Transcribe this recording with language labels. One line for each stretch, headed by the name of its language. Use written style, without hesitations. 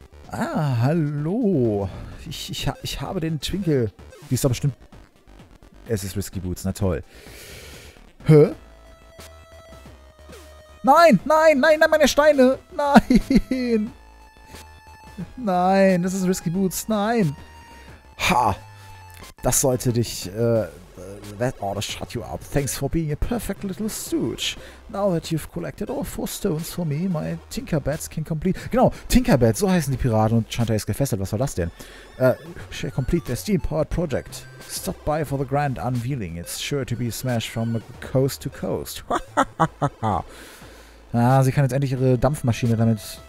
German: Ah, hallo. Ich habe den Twinkel. Die ist doch bestimmt... Es ist Risky Boots, na toll. Hä? Nein, nein, nein, nein, meine Steine. Nein. Nein, das ist Risky Boots, nein. Ha. Das sollte dich...
English: That ought to shut you up. Thanks for being a perfect little stooge. Now that you've collected all 4 stones for me, my Tinkerbats can complete...
German: Genau, Tinkerbats, so heißen die Piraten und Shantae ist gefesselt. Was war das denn?
English: Shall complete their steam-powered project. Stop by for the grand unveiling. It's sure to be smashed from coast to coast.
German: Ah, sie kann jetzt endlich ihre Dampfmaschine damit